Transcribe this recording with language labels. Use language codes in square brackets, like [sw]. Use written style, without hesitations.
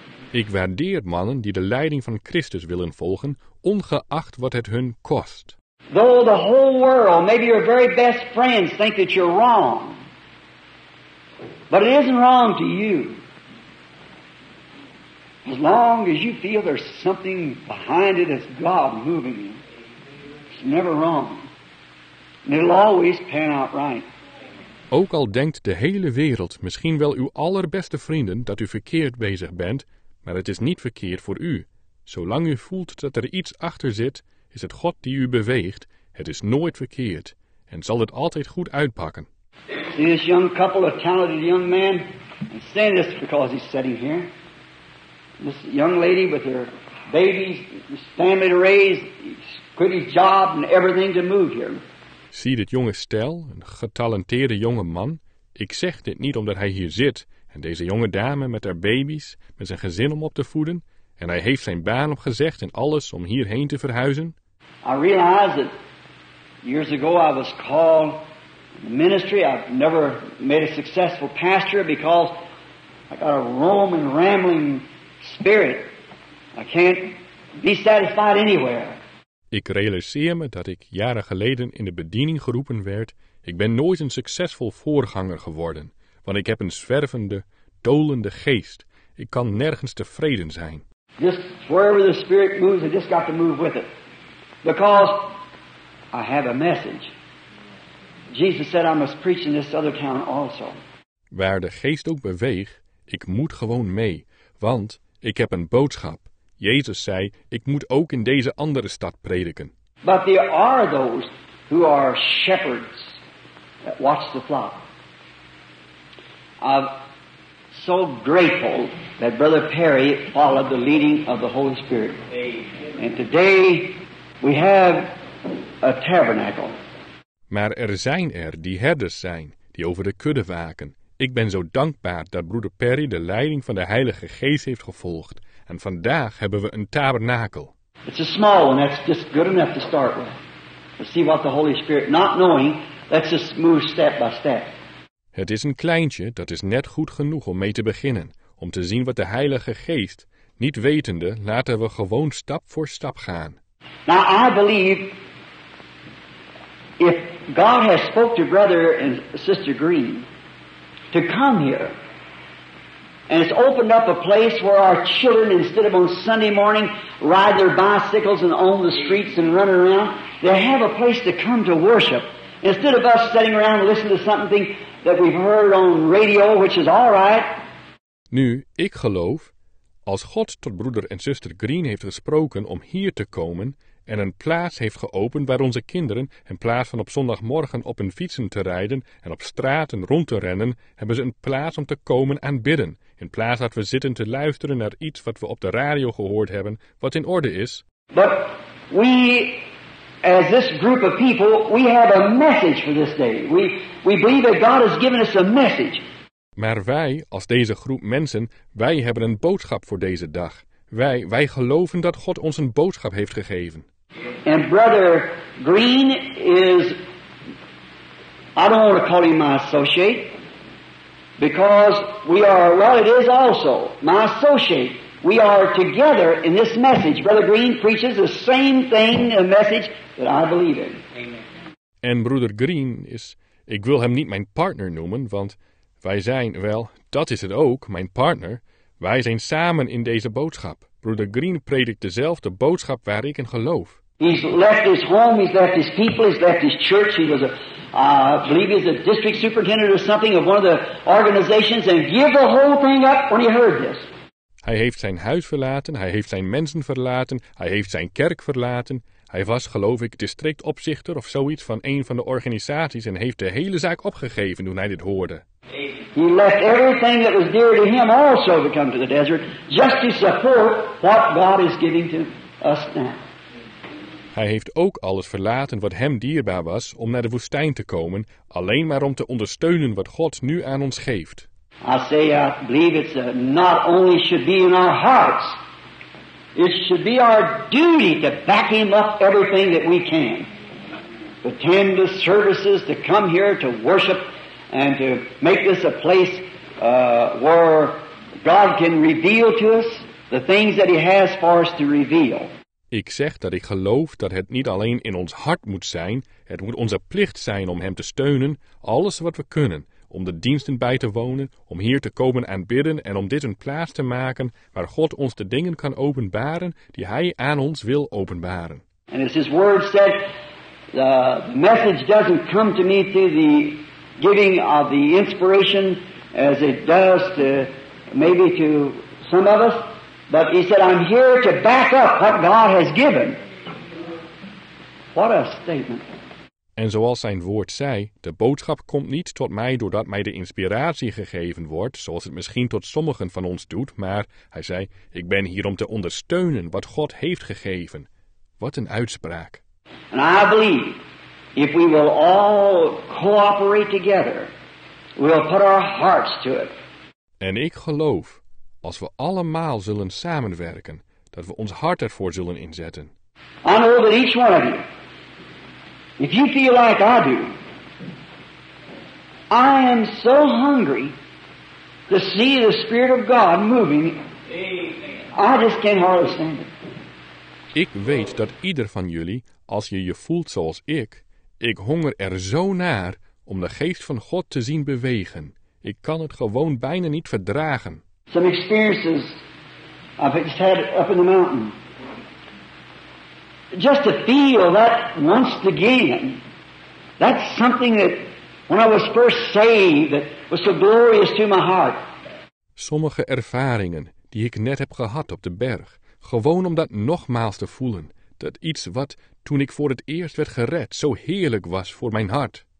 [nl] Ik waardeer mannen die de leiding van Christus willen volgen, ongeacht wat het hun kost. [en] Though the whole world, maybe your very best friends, think that you're wrong. But it isn't wrong to you. As long as you feel there's something behind it, as God moving you, it's never wrong. And it'll always pan out right. [nl] Ook al denkt de hele wereld, misschien wel uw allerbeste vrienden, dat u verkeerd bezig bent, maar het is niet verkeerd voor u. Zolang u voelt dat er iets achter zit, is het God die u beweegt. Het is nooit verkeerd en zal het altijd goed uitpakken. [en] See this young couple of talented young men, and saying this because he's sitting here. This young lady with her babies, his family to raise, quit his job and everything to move here. [nl] Zie dit jonge stel, een getalenteerde jonge man. Ik zeg dit niet omdat hij hier zit. En deze jonge dame met haar baby's, met zijn gezin om op te voeden. En hij heeft zijn baan opgezegd en alles om hierheen te verhuizen. [en] I realize that Years ago, I was called in the ministry. I've never made a successful pastor because I got a roaming, rambling spirit. I can't be satisfied anywhere. [nl] Ik realiseer me dat ik jaren geleden in de bediening geroepen werd. Ik ben nooit een succesvol voorganger geworden, want ik heb een zwervende, dolende geest. Ik kan nergens tevreden zijn. [en] Just wherever the Spirit moves, I just got to move with it. Because I have a message. Jesus said I must preach in this other town also. [nl] Waar de geest ook beweegt, ik moet gewoon mee, want ik heb een boodschap. Jezus zei, ik moet ook in deze andere stad prediken. [en] But there are those who are shepherds that watch the flock. I'm so grateful that Brother Perry followed the leading of the Holy Spirit. And today we have a tabernacle. [nl] Maar er zijn er die herders zijn, die over de kudde waken. Ik ben zo dankbaar dat Broeder Perry de leiding van de Heilige Geest heeft gevolgd. En vandaag hebben we een tabernakel. [en] It's a small one, that's just good enough to start with. Let's see what the Holy Spirit, not knowing, let's just move step by step. [nl] Het is een kleintje, dat is net goed genoeg om mee te beginnen, om te zien wat de Heilige Geest, niet wetende, laten we gewoon stap voor stap gaan. [en] Now I believe, if God has spoken to Brother and Sister Green to come here, and it's opened up a place where our children, instead of on Sunday morning, ride their bicycles and on the streets and run around, they have a place to come to worship. Instead of us sitting around and listening to something that we've heard on radio, which is all right. [nl] Nu, ik geloof, als God tot broeder en zuster Green heeft gesproken om hier te komen en een plaats heeft geopend waar onze kinderen, in plaats van op zondagmorgen op hun fietsen te rijden en op straten rond te rennen, hebben ze een plaats om te komen aanbidden. In plaats dat we zitten te luisteren naar iets wat we op de radio gehoord hebben, wat in orde is. [en] But we, as this group of people, we have a message for this day. We believe that God has given us a message. [nl] Maar wij, als deze groep mensen, wij hebben een boodschap voor deze dag. Wij geloven dat God ons een boodschap heeft gegeven. [en] And Brother Green is, I don't want to call him my associate. Because we are, well, it is also my associate. We are together in this message. Brother Green preaches the same thing, a message that I believe in. [nl] En Broeder Green is, ik wil hem niet mijn partner noemen, want wij zijn, wel, dat is het ook, mijn partner. Wij zijn samen in deze boodschap. Broeder Green predikt dezelfde boodschap waar ik in geloof. [en] He's left his home, he's left his people, he's left his church, he was a... I believe he's a district superintendent or something of one of the organizations and give the whole thing up when he heard this. [nl] Hij heeft zijn huis verlaten, hij heeft zijn mensen verlaten, hij heeft zijn kerk verlaten. Hij was, geloof ik, districtopzichter of zoiets van een van de organisaties en heeft de hele zaak opgegeven toen hij dit hoorde. [en] He left everything that was dear to him also to come to the desert just to support what God is giving to us now. [nl] Hij heeft ook alles verlaten wat hem dierbaar was om naar de woestijn te komen, alleen maar om te ondersteunen wat God nu aan ons geeft. [en] I say, I believe it's a, not only should be in our hearts, it should be our duty to back him up everything that we can. Attend the services, to come here to worship and to make this a place where God can reveal to us the things that he has for us to reveal. [nl] Ik zeg dat ik geloof dat het niet alleen in ons hart moet zijn, het moet onze plicht zijn om hem te steunen, alles wat we kunnen, om de diensten bij te wonen, om hier te komen aanbidden en om dit een plaats te maken waar God ons de dingen kan openbaren die hij aan ons wil openbaren. [en] And as his word said, the message doesn't come to me through the giving of the inspiration as it does to, maybe to some of us. But he said, I'm here to back up what God has given. What a statement. [nl] En zoals zijn woord zei, de boodschap komt niet tot mij doordat mij de inspiratie gegeven wordt, zoals het misschien tot sommigen van ons doet, maar hij zei, ik ben hier om te ondersteunen wat God heeft gegeven. Wat een uitspraak. [en] And I believe, if we will all cooperate together, we'll put our hearts to it. [nl] En ik geloof, als we allemaal zullen samenwerken, dat we ons hart ervoor zullen inzetten. [en] I know that each one of you If you feel like I do, I am so hungry to see the Spirit of God moving. Amen. I just can't hardly stand it. [nl] Ik weet dat ieder van jullie, als je je voelt zoals ik honger er zo naar om de geest van God te zien bewegen. Ik kan het gewoon bijna niet verdragen. [en] Some experiences I've just had up in the mountain. Just to feel that once again, that's something that when I was first saved that was so glorious to my heart. [nl] Sommige ervaringen die ik net heb gehad op de berg, gewoon om dat nogmaals te voelen, dat iets wat toen ik voor het eerst werd gered zo heerlijk was voor mijn hart.